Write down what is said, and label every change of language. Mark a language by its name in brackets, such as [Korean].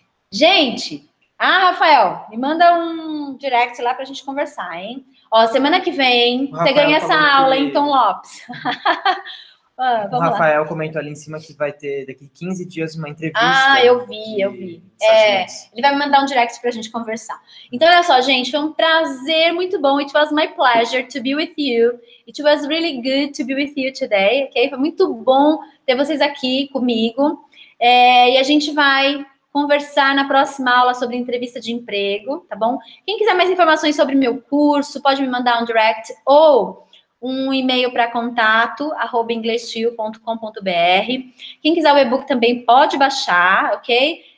[Portuguese] Gente, Rafael, me manda um direct lá pra gente conversar, hein? Ó, semana que vem, Rafael, você ganha essa aula, hein, Tom Lopes? O Rafael comentou ali em cima que vai ter daqui 15 dias uma entrevista. Ah, eu vi, eu vi. É, ele vai me mandar um direct pra gente conversar. Então, olha só, gente, foi um prazer muito bom. [English] It was my pleasure to be with you. It was really good to be with you today, ok? [Portuguese] Foi muito bom ter vocês aqui comigo. É, e a gente vai conversar na próxima aula sobre entrevista de emprego, tá bom? Quem quiser mais informações sobre meu curso, pode me mandar um direct ou... um e-mail para contato, @inglestio.com.br. Quem quiser o e-book também pode baixar, ok?